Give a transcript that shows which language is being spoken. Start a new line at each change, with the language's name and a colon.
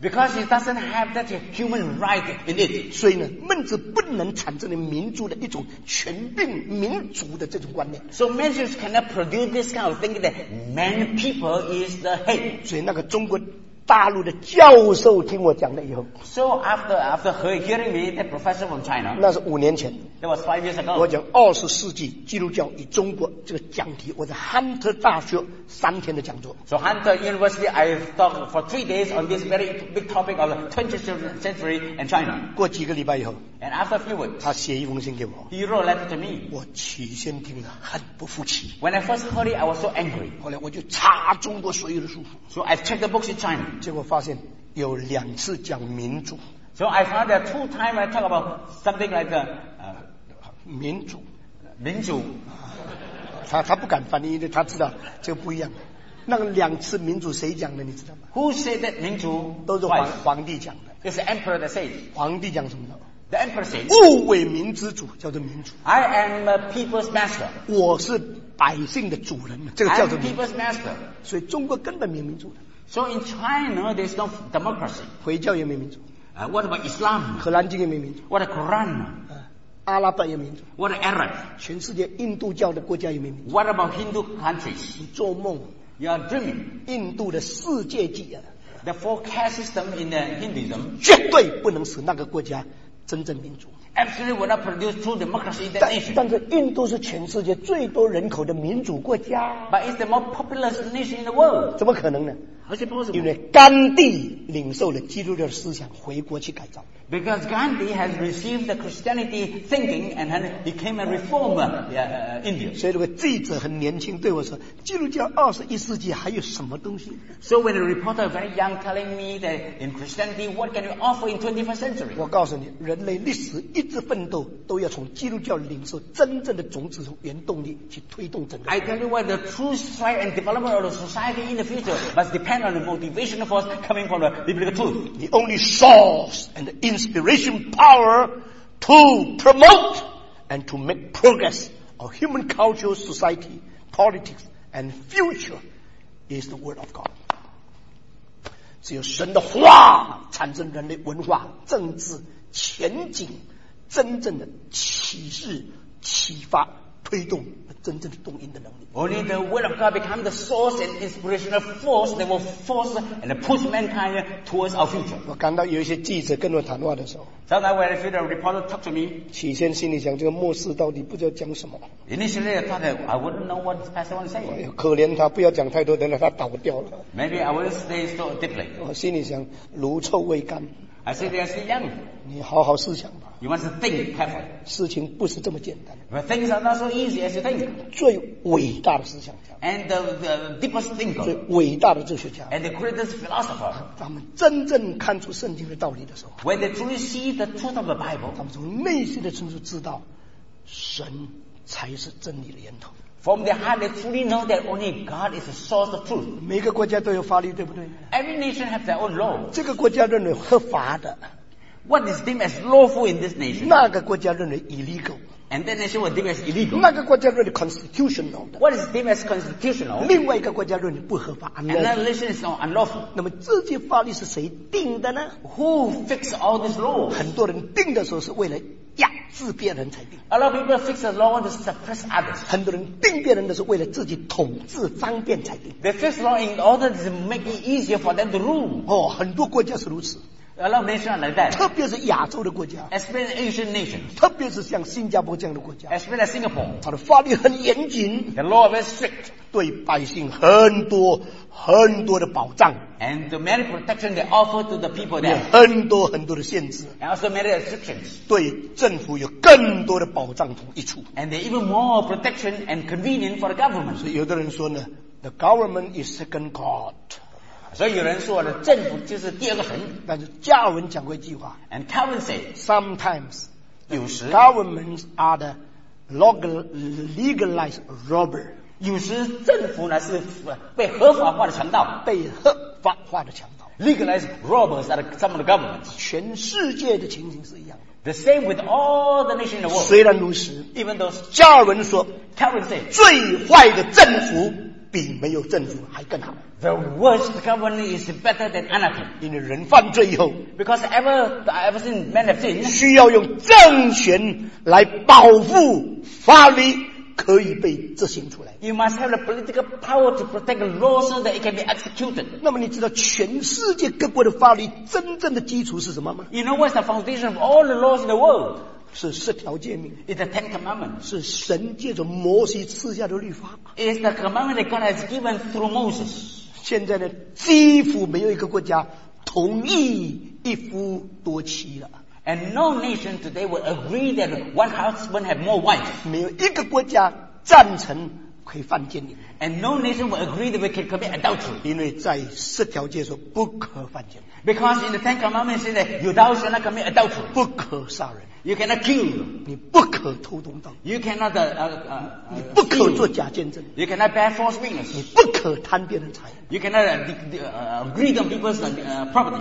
English: Because it doesn't have that human right in it.
Chinese: 所以呢，孟子不能产生民主的一种。全并民族的这种观念
English: ，So Mencius cannot produce this kind of thinking that man people is the head.
Chinese: 所以那个中国大陆的教授听我讲了以后
English: ，So after hearing me, the professor from China.
Chinese: 那是5年前
English: ，That was 5 years ago.
Chinese: 我讲20世纪基督教与中国这个讲题，我在 Hunter 大学3天的讲座。
English: So Hunter University, I talked for 3 days on this very big topic of the 20th century and China.
Chinese: 过几个礼拜以后。
English: And after a few weeks,
Chinese: 他写一封信给我。
English: He wrote a letter to me.
Chinese: 我起先听了很不服气。
English: When I first heard it, I was so angry.
Chinese: 后来我就查中国所有的书。
English: So I checked the books in China.
Chinese: 结果发现有2次讲民主。
English: So I found that 2 times I talk about something like the
Chinese: 民主。民主。他不敢翻译，因为他知道这不一样。那个两次民主谁讲的你知道吗？
English: Who said that 民主？
Chinese: 都是 皇帝讲的。
English: It's the emperor that said.
Chinese: 皇帝讲什么的？
English: The emperor said,
Chinese: 物为民之主叫做民主。
English: I am a people's master.
Chinese: 我是百姓的主人，这个叫做民主。
English: I am people's master.
Chinese: 所以中国根本没有民主的。
English: So in China, there's no democracy.
Chinese: 回教也没民主。
English: What about Islam?
Chinese: 荷兰经也没民主。
English: What about Quran?
Chinese: 阿拉伯也没民主。
English: What about Arab?
Chinese: 全世界印度教的国家也没民主。
English: What about Hindu countries?
Chinese: 你做梦。
English: You are dreaming.
Chinese: 印度的世界纪啊。
English: The four caste system in the Hinduism.
Chinese: 绝对不能使那个国家真正民主。
English: Absolutely will not produce true democracy in that nation.
Chinese: 但是印度是全世界最多人口的民主国家。
English: But it's the most populous nation in the world.
Chinese: 怎么可能呢？
English: Possible?
Chinese: 因为甘地领受了基督教思想回国去改造。
English: Because Gandhi has received the Christianity thinking and then became a reformer, India.
Chinese: 所以这个记者很年轻对我说，基督教二十一世纪还有什么东西？
English: So when a reporter very young telling me that in Christianity, what can you offer in 21st century?
Chinese: 我告诉你，人类历史一直奋斗，都要从基督教领受真正的种子和原动力去推动整个。
English: I tell you what, the true strength and development of the society in the future must depend on the motivational force coming from the biblical truth. The only source and the inspiration power to promote and to make progress of human culture, society, politics, and future is the word of God.
Chinese: 只有神的话产生人类文化、政治、前景真正的启示、启发、推动和真正的动因的能力。
English: Only the word of God becomes the source and inspirational force that will force and push mankind towards our future.
Chinese: 我看到有一些记者跟我谈话的时候，
English: Sometimes when I feel the reporter talk to me,
Chinese: 起先心里想这个末世到底不知道讲什么。
English: Initially I thought that I wouldn't know what the pastor wants to say.
Chinese: 可怜他，不要讲太多，等等他倒掉了。
English: Maybe I will stay so deeply.
Chinese: 我心里想如臭未干。
English: I said they are still young.
Chinese: 你好好思想吧。
English: You must think carefully.
Chinese: 事情不是这么简单。
English: But things are not so easy as you think.
Chinese: 最伟大的思想家。
English: And the deepest thinker.
Chinese: 最伟大的哲学家。
English: And the greatest philosopher.
Chinese: 他们真正看出圣经的道理的时候。
English: When they truly see the truth of the Bible.
Chinese: 他们从内心的深处知道，神才是真理的源头。
English: From their heart, they truly know that only God is the source of truth.
Chinese: 每个国家都有法律，对不对？
English: Every nation has their own law.
Chinese: 这个国家认为合法的。
English: What is deemed as lawful in this nation?
Chinese: 那个国家认为
English: illegal. And that nation was deemed as illegal.
Chinese: 那个国家认为
English: constitutional
Chinese: 的。
English: What is deemed as constitutional?
Chinese: 另外一个国家认为不合法。
English: And that nation is unlawful.
Chinese: 那么这些法律是谁定的呢？
English: Who fixed all this law?
Chinese: 很多人定的时候是为了压制别人才定。
English: A lot of people fix the law to suppress others.
Chinese: 很多人定别人的是为了自己统治方便才定。
English: They fix law in order to make it easier for them to rule.
Chinese: 哦，很多国家是如此。
English: A lot of nations are like that.
Chinese: 特别是亚洲的国家。
English: Especially Asian nations.
Chinese: 特别是像新加坡这样的国家。
English: Especially Singapore.
Chinese: 它的法律很严谨。
English: The law is strict.
Chinese: 对百姓很多很多的保障。
English: And the many protection they offer to the people there.
Chinese: 很多很多的限制。
English: And also many restrictions.
Chinese: 对政府有更多的保障同益处。
English: And they even more protection and convenience for the government.
Chinese: 所以有的人说呢，
English: the government is second God.
Chinese: 所以有人说呢，政府就是第二个神。但是加尔文讲过一句话。
English: And Calvin said, sometimes,
Chinese: 有时
English: governments are the legalized robber.
Chinese: 有时政府呢是被合法化的强盗。被合法化的强盗。
English: Legalized robbers are some of the governments.
Chinese: 全世界的情形是一样的。
English: The same with all the nations in the world.
Chinese: 虽然如此，
English: even though
Chinese: 加尔文说，
English: Calvin said,
Chinese: 最坏的政府比没有政府还更好。
English: The worst government is better than anarchy.
Chinese: 因为人犯罪以后，
English: because ever since men have sinned,
Chinese: 需要用政权来保护法律可以被执行出来。
English: You must have the political power to protect the law so that it can be executed.
Chinese: 那么你知道全世界各国的法律真正的基础是什么吗？
English: You know what's the foundation of all the laws in the world?
Chinese: 是十条诫命。
English: It's the Ten Commandments.
Chinese: 是神借着摩西赐下的律法。
English: It's the commandment that God has given through Moses.
Chinese: 现在呢，几乎没有一个国家同意一夫多妻了。
English: And no nation today would agree that one husband had more wives.
Chinese: 没有一个国家赞成可以犯奸淫。
English: And no nation will agree that we can commit adultery.
Chinese: 因为在十条诫说不可犯奸。
English: Because in the Ten Commandments say that you thou shalt not commit adultery.
Chinese: 不可杀人。
English: You cannot kill.
Chinese: 你不可偷东盗。
English: You cannot
Chinese: 你不可做假见证。
English: You cannot bear false witness.
Chinese: 你不可贪别人财。
English: You cannot greed on people's property.